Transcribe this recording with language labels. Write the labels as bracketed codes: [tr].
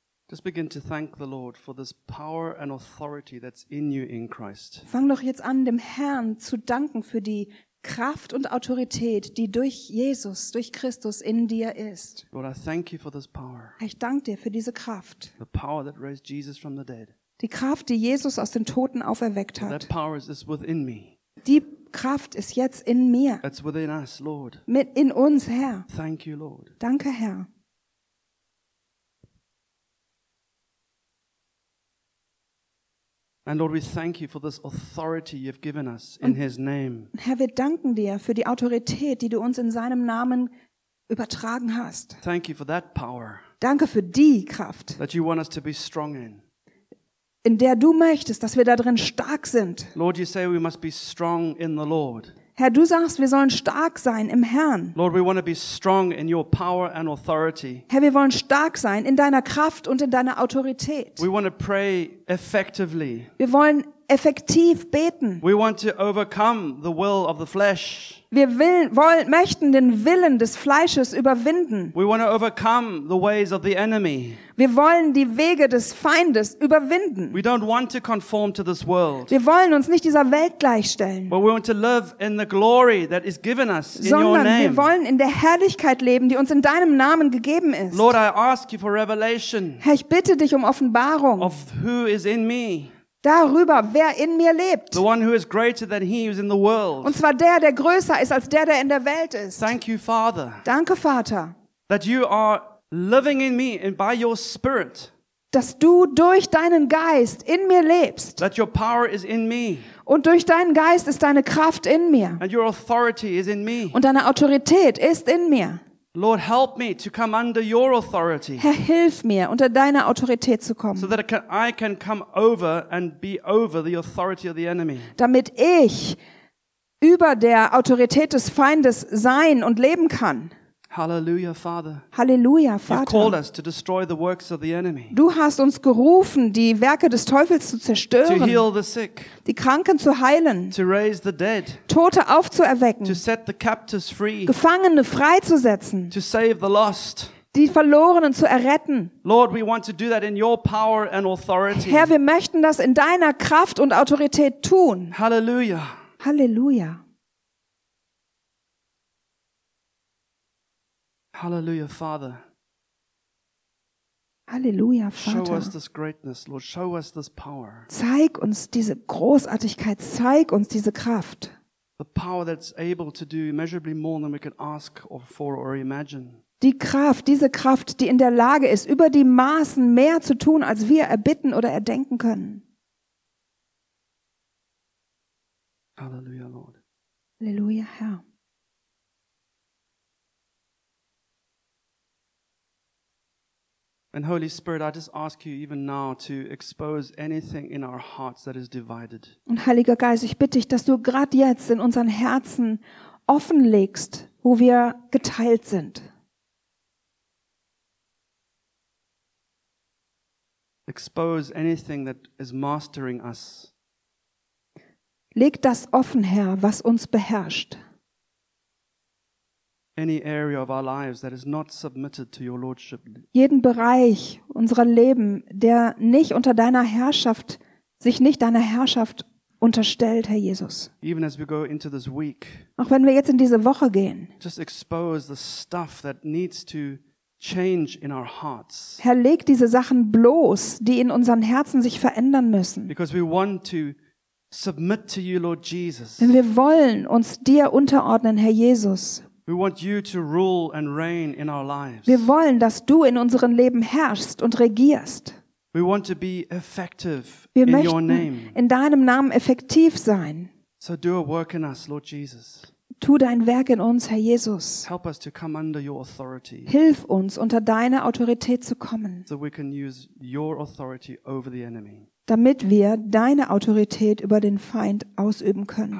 [en] Just begin to thank the Lord for this power and authority that's in you in Christ. [de] Fang doch jetzt an, dem Herrn zu danken für die Kraft und Autorität, die durch Jesus, durch Christus in dir ist. [en] Lord, I thank you for this power. [de] Ich danke dir für diese Kraft. [en] The power that raised Jesus from the dead. [de] Die Kraft, die Jesus aus den Toten auferweckt hat. [en] That power is within me. [de] Die Kraft ist jetzt in mir. [en] It's within us, Lord. [de] Mit in uns, Herr. [en] Thank you, Lord. [de] Danke, Herr. [en] And Lord, we thank you for this authority you've given us in his name. [de] Herr, wir danken dir für die Autorität, die du uns in seinem Namen übertragen hast. [en] Thank you for that power. [de] Danke für die Kraft. [en] That you want us to be strong in. [de] In der du möchtest, dass wir darin stark sind. [en] Lord, you say we must be strong in the Lord. [de] Herr, du sagst, wir sollen stark sein im Herrn. [en] Lord, we want to be strong in your power and authority. [de] Herr, wir wollen stark sein in deiner Kraft und in deiner Autorität. [en] We want to pray effectively. [de] Wir wollen effektiv beten. [en] We want to overcome the will of the flesh. [de] Wir möchten den Willen des Fleisches überwinden. [en] We want to overcome the ways of the enemy. [de] Wir wollen die Wege des Feindes überwinden. [en] We don't want to conform to this world. [de] Wir wollen uns nicht dieser Welt gleichstellen. [en] But we want to live in the glory that is given us in your name. [de] Sondern wir wollen in der Herrlichkeit leben, die uns in deinem Namen gegeben ist. [en] Lord, I ask you for revelation. [de] Herr, ich bitte dich um Offenbarung. [en] Of who is in me. [de] Darüber, wer in mir lebt. [en] The one who is greater than he who is in the world. [de] Und zwar der größer ist als der in der Welt ist. [en] Thank you, Father. [de] Danke, Vater. [en] That you are living in me and by your spirit. [de] Dass du durch deinen Geist in mir lebst. [en] That your power is in me. [de] Und durch deinen Geist ist deine Kraft in mir. [en] And your authority is in me. [de] Und deine Autorität ist in mir. [en] Lord, help me to come under your authority. [de] Herr, hilf mir, unter deiner Autorität zu kommen. [en] So that I can come over and be over the authority of the enemy. [de] Damit ich über der Autorität des Feindes sein und leben kann. [en] Hallelujah, Father. [de] Hallelujah, Vater. [en] You've called us to destroy the works of the enemy. [de] Du hast uns gerufen, die Werke des Teufels zu zerstören. [en] To heal the sick. [de] Die Kranken zu heilen. [en] To raise the dead. [de] Tote aufzuerwecken. [en] To set the captives free. [de] Gefangene freizusetzen. [en] To save the lost. [de] Die Verlorenen zu erretten. [en] Lord, we want to do that in your power and authority. [de] Herr, wir möchten das in deiner Kraft und Autorität tun. [en] Hallelujah. [de] Hallelujah. [en] Hallelujah, Father. [de] Hallelujah, Vater. [en] Show us this greatness, Lord. Show us this power. [de] Zeig uns diese Großartigkeit. Zeig uns diese Kraft. [en] The power that's able to do immeasurably more than we can ask or for or imagine. [de] Die Kraft, diese Kraft, die in der Lage ist, über die Maßen mehr zu tun, als wir erbitten oder erdenken können. [en] Hallelujah, Lord. [de] Hallelujah, Herr. [en] And Holy Spirit, I just ask you even now to expose anything in our hearts that is divided. [de] Und Heiliger Geist, ich bitte dich, dass du gerade jetzt in unseren Herzen offenlegst, wo wir geteilt sind. [en] Expose anything that is mastering us. [de] Leg das offen, Herr, was uns beherrscht. [en] Any area of our lives that is not submitted to your lordship. [de] Jeden Bereich unserer Leben, der nicht unter deiner Herrschaft, sich nicht deiner Herrschaft unterstellt, Herr Jesus. [en] Even as we go into this week. [de] Auch wenn wir jetzt in diese Woche gehen. [en] Just expose the stuff that needs to change in our hearts. [de] Herr, leg diese Sachen bloß, die in unseren Herzen sich verändern müssen. [en] Because we want to submit to you, Lord Jesus. [de] Denn wir wollen uns dir unterordnen, Herr Jesus. [en] We want you to rule and reign in our lives. [de] Wir wollen, dass du in unserem Leben herrschst und regierst. [en] We want to be effective in your name. [de] Wir möchten in deinem Namen effektiv sein. [en] So do a work in us, Lord Jesus. [de] Tu dein Werk in uns, Herr Jesus. [en] Help us to come under your authority. [de] Hilf uns, unter deine Autorität zu kommen. [en] So we can use your authority over the enemy. [de] Damit wir deine Autorität über den Feind ausüben können.